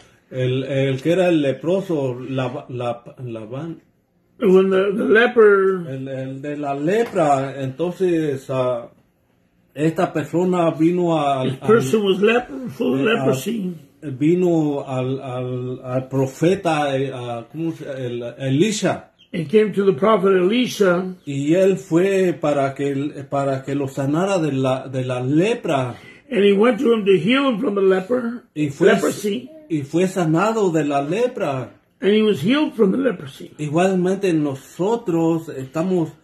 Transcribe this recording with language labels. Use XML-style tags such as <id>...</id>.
<es>El que era el leproso, Labán.</es> <en>When the leper.</en> <es>El de la lepra, entonces esta persona vino al.</es> <en>This person was leper, full of leprosy.</en> <es>Vino al profeta, ¿cómo se llama? Elisha.</es> <en>He came to the prophet Elisha.</en> <es>Y él fue para que lo sanara de la lepra.</es> <en>And he went to him to heal him from the leper.</en> <es>Y fue,</es> <en>leprosy.</en> <es>Y fue sanado de la lepra.</es> <en>And he was healed from the leprosy.</en> <es>Igualmente nosotros estamos</es>